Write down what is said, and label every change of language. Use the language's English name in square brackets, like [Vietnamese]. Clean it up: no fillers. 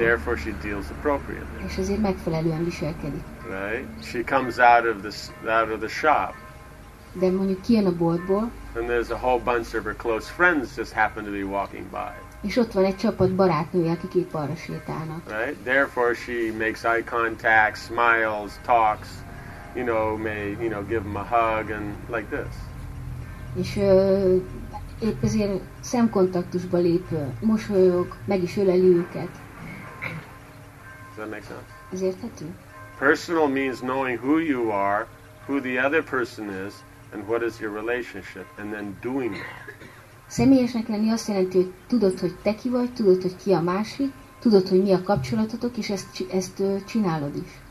[English] Therefore she deals appropriately. [Hungarian] És ezért megfelelően viselkedik. [English] Right? She comes out of the shop. [Hungarian] De mondjuk kijön a boltból. [English] And there's a whole bunch of her close friends just happen to be walking by. [Hungarian] És ott van egy csapat barátnői, akik épp arra sétálnak. [English] Right? Therefore she makes eye contact, smiles, talks, may give them a hug and like this. [Hungarian] És épp ezért szemkontaktusba lép, mosolyog, meg is öleli őket. [English] Does that make sense? [Hungarian] Ez érthető? [English] Personal means knowing who you are, who the other person is, and what is your relationship, and then doing that. [Hungarian] Személyesnek lenni azt jelenti, hogy tudod, hogy te ki vagy, tudod, hogy ki a másik, tudod, hogy mi a kapcsolatotok, és ezt csinálod is.